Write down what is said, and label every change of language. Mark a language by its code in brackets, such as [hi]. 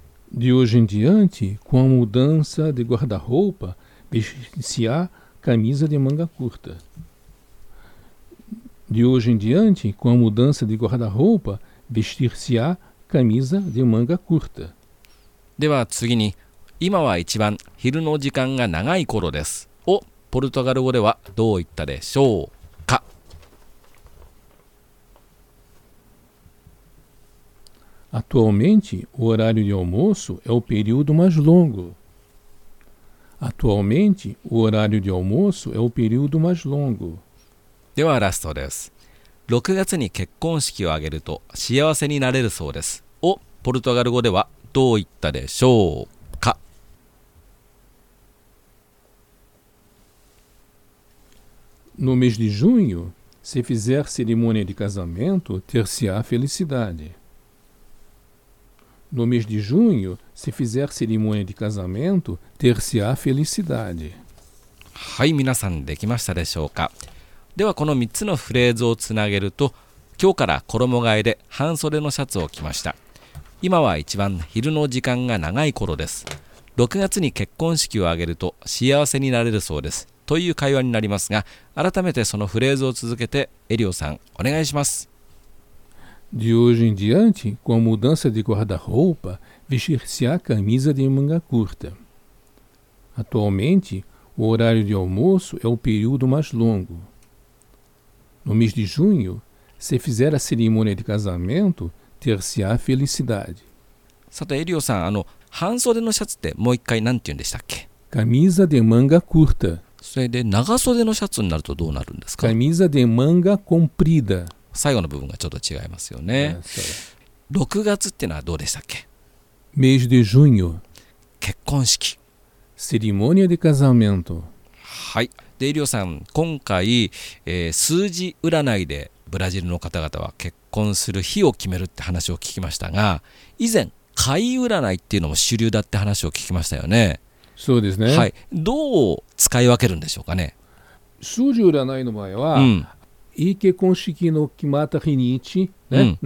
[pt] De hoje em diante, com a mudança de guarda-roupa, vestir-se-á camisa de manga curta. De hoje em diante, com a mudança de guarda-roupa, vestir-se-á camisa de manga curta. [ja] では次に、今は一番昼の時間が長い頃です。をポルトガル語ではどう言ったでしょうか？ [pt] Atualmente, o horário de almoço é o período mais longo. Atualmente, o horário de almoço é o período mais longo. [ja] ではラストです。 6月に結婚式を挙げると幸せになれるそうです。をポルトガル語ではどう言ったでしょうか？ [pt] No mês de junho, se fizer cerimônia de casamento, ter-se-á felicidade. No mês de junho, se fizer cerimônia de casamento, ter-se-á felicidade. [ja] はい、皆さんできましたでしょうか。ではこの3つのフレーズをつなげると、今日から衣替えで半袖のシャツを着ました。今は一番昼の時間が長い頃です。6月に結婚式を挙げると幸せになれるそうです。という会話になりますが、改めてそのフレーズを続けてエリオさん、お願いします。 [pt] De hoje em diante, com a mudança de guarda-roupa, vestir-se-á camisa de manga curta. Atualmente, o horário de almoço é o período mais longo. No mês de junho, se fizer a cerimônia de casamento, ter-se-á felicidade. [ja] さて、エリオさん、半袖のシャツってもう一回なんて言うんでしたっけ？ [pt] Camisa de manga curta. [ja] それで、長袖のシャツになるとどうなるんですか？ [pt] Camisa de manga comprida. [ja] 最後の部分がちょっと違いますよね。6月ってのはどうでしたっけ？ [pt] Mês de junho. [ja] 結婚式。 [pt] Cerimônia de casamento. [ja] はい。で、エリオさん、今回、数字占いでブラジルの方々は結婚する日を決めるって話を聞きましたが、以前、貝占いっていうのも主流だって話を聞きましたよね。そうですね。はい。どう使い分けるんでしょうかね？数字占いの場合は、うん、 [pt] E que consegui no que mata rinite, né?